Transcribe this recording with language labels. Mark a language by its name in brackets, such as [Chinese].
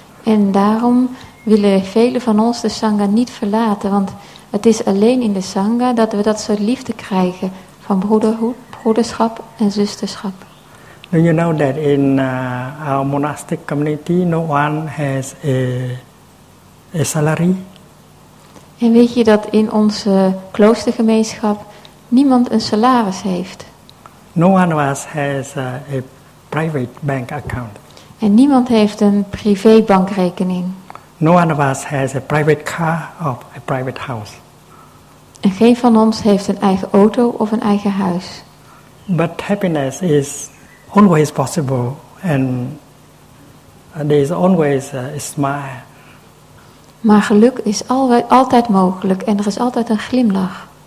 [Dutch] En daarom willen velen van ons de Sangha niet verlaten, want het is alleen in de Sangha dat we dat soort liefde krijgen van broederschap en zusterschap. [English] Do you know that in our monastic community no one has a salary? [Dutch] En weet je dat in onze kloostergemeenschap niemand een salaris heeft? [English] No one has a private bank account. [Dutch] En niemand heeft een privébankrekening. [English] No one has a private car or a private house. [Dutch] En geen van ons heeft een eigen auto of een eigen huis. [English] But happiness is always possible, and there is always a smile. [Dutch] Maar geluk is altijd mogelijk en er is altijd een glimlach.